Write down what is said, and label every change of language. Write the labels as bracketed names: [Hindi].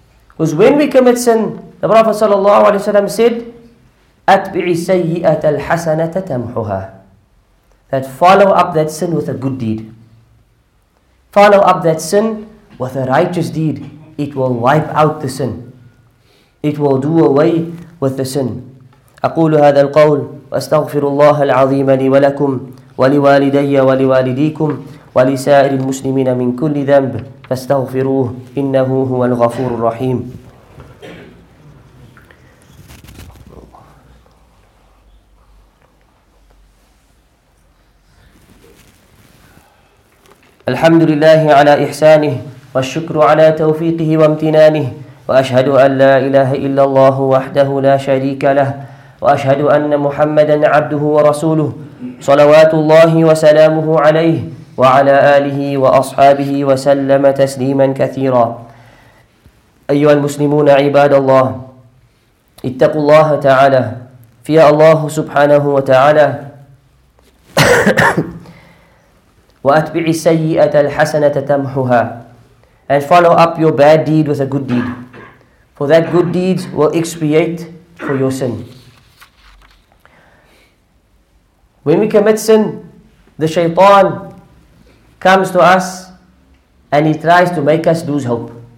[English] Because when we commit sin, the Prophet ﷺ said, [Arabic] أَتْبِعِ سَيِّئَةَ الْحَسَنَةَ تَمْحُهَا, [English] that follow up that sin with a good deed. Follow up that sin with a righteous deed. It will wipe out the sin. it will do away with the sin. [Arabic] أقول هذا القول وأستغفر الله العظيم لي ولكم ولوالدي ولوالديكم ولسائر المسلمين من كل ذنب فاستغفروه إنه هو الغفور الرحيم. الحمد لله على إحسانه والشكر على توفيقه وامتنانه وأشهد أن لا إله إلا الله وحده لا شريك له وأشهد أن محمدًا عبده ورسوله صلوات الله وسلامه عليه وعلى آله وأصحابه وسلم تسليمًا كثيرًا. أيها المسلمون عباد الله اتقوا الله تعالى في الله سبحانه وتعالى وأتبع السيئة الحسنة تمحها. [English] And follow up your bad deed with a good deed, for that good deed will expiate for your sin. When we commit sin, the shaitan comes to us and he tries to make us lose hope.